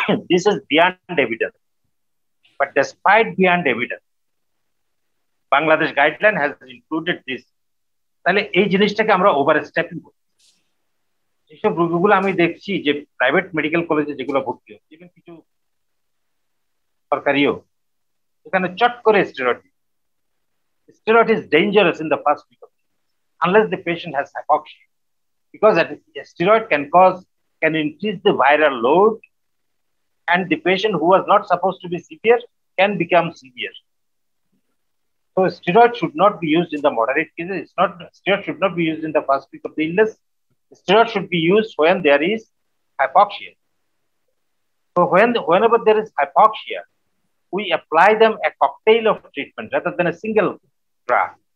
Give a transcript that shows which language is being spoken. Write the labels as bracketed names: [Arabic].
[English] This is beyond evidence. But despite beyond evidence, Bangladesh guideline has included this. [Bangla] তাহলে এই জিনিসটাকে আমরা ওভারস্টেপিং করি। যেসব রোগীগুলো আমি দেখছি যে প্রাইভেট মেডিকেল কলেজে যেগুলো ভর্তি হচ্ছে, ইভেন কিছু সরকারিও, এখানে চট করে [English] Steroid is dangerous in the first week of unless the patient has hypoxia because steroid can cause can increase the viral load and the patient who was not suppose to be severe can become severe. So steroid should not be used in the moderate cases. It's not steroid should not be used in the first week of the illness. Steroid should be used when there is hypoxia. So whenever there is hypoxia, we apply them a cocktail of treatment rather than a single drug.